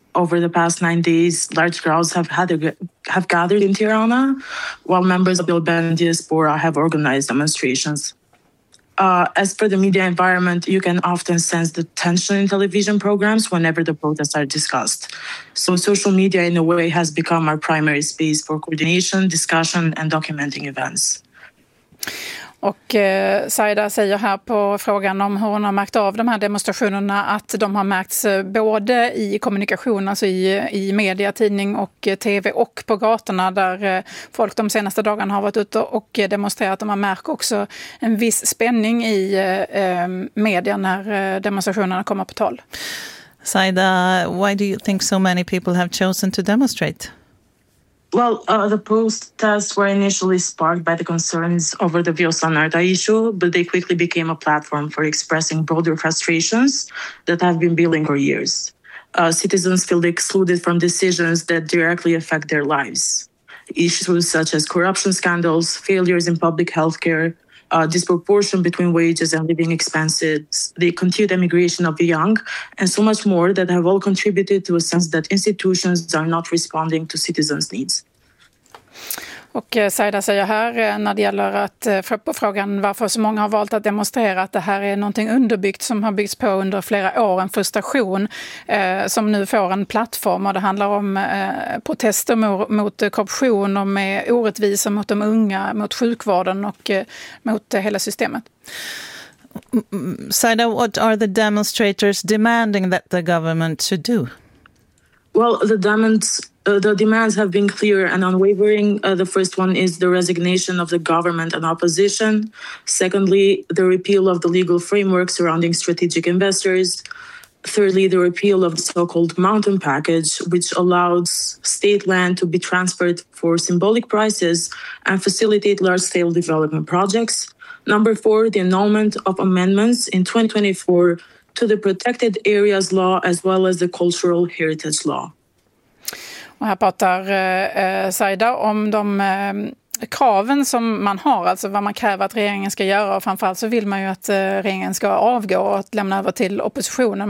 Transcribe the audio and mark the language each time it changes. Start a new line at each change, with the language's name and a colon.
English: Over the past 9 days, large crowds have gathered in Tirana, while members of the Albanian diaspora have organized demonstrations. As for the media environment, you can often sense the tension in television programs whenever the protests are discussed. So social media, in a way, has become our primary space for coordination, discussion and documenting events.
Swedish: Och Saida säger här på frågan om hur hon har märkt av de här demonstrationerna att de har märkts både i kommunikation, alltså i media, tidning och tv, och på gatorna där folk de senaste dagarna har varit ute och demonstrerat. De har märkt också en viss spänning i media när demonstrationerna kommer på tal.
English: Saida, why do you think so many people have chosen to demonstrate? Well, the protests were initially sparked by the concerns over the Vios Lanarta issue, but they quickly became a platform for expressing broader frustrations that have been building for years. Citizens feel excluded from decisions that directly affect their lives. Issues such as corruption scandals, failures in public healthcare, disproportion between wages and living expenses, the continued emigration of the young, and so much more, that have all contributed to a sense that institutions are not responding to citizens' needs.
Swedish: Och Saida säger här, när det gäller att på frågan varför så många har valt att demonstrera, att det här är någonting underbyggt som har byggts på under flera år, en frustration som nu får en plattform, och det handlar om protester mot korruption och med orättvisa mot de unga, mot sjukvården och mot hela systemet.
English: Saida, what are the demonstrators demanding that the government should do? Well, the demands have been clear and unwavering. The first one is the resignation of the government and opposition. Secondly, the repeal of the legal framework surrounding strategic investors. Thirdly, the repeal of the so-called mountain package, which allows state land to be transferred for symbolic prices and facilitate large-scale development projects. Number four, the annulment of amendments in 2024 to the Protected Areas Law as well as the Cultural Heritage Law.
Swedish: Och här pratar Saida om de kraven som man har, alltså vad man kräver att regeringen ska göra, och framförallt så vill man ju att regeringen ska avgå och att lämna över till oppositionen.